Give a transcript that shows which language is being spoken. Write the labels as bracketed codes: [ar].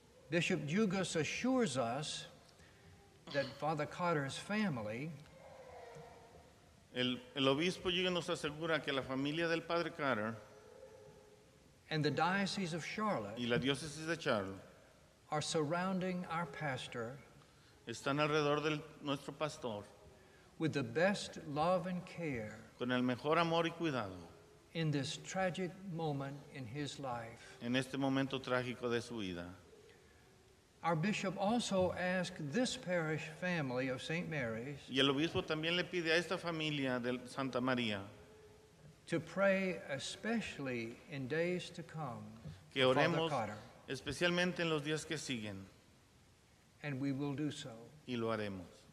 [en] Bishop Jugas assures us that Father Carter's family. [es] El obispo Jugas nos asegura que la familia del Padre Carter. [en] And the diocese of Charlotte. [es] Y la diócesis de Charlotte. [en] Are surrounding our pastor. [es] Están alrededor del nuestro pastor. [en] With the best love and care. [es] Con el mejor amor y cuidado. [en] In this tragic moment in his life. [es] En este momento trágico de su vida. [en] Our bishop also asked this parish family of St. Mary's. [es] Y el obispo también le pide a esta familia de Santa María. [en] To pray especially in days to come. [es] Que oremos. Especialmente en los días que siguen. [en] And we will do so. [es] Y lo haremos.